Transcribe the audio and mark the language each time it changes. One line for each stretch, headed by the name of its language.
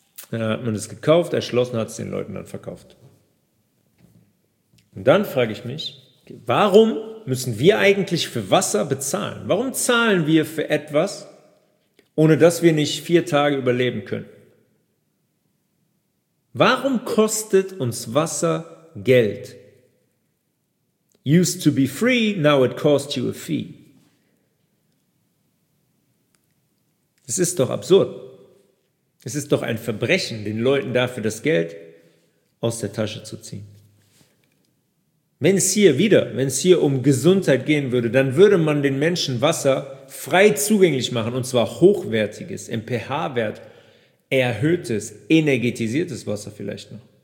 German: Dann hat man es gekauft, erschlossen, hat es den Leuten dann verkauft. Und dann frage ich mich, warum müssen wir eigentlich für Wasser bezahlen? Warum zahlen wir für etwas, ohne dass wir nicht 4 Tage überleben können? Warum kostet uns Wasser Geld?
English: Used to be free, now it costs you a fee.
German: Das ist doch absurd. Es ist doch ein Verbrechen, den Leuten dafür das Geld aus der Tasche zu ziehen. Wenn es hier um Gesundheit gehen würde, dann würde man den Menschen Wasser frei zugänglich machen, und zwar hochwertiges, im pH-Wert erhöhtes, energetisiertes Wasser vielleicht noch.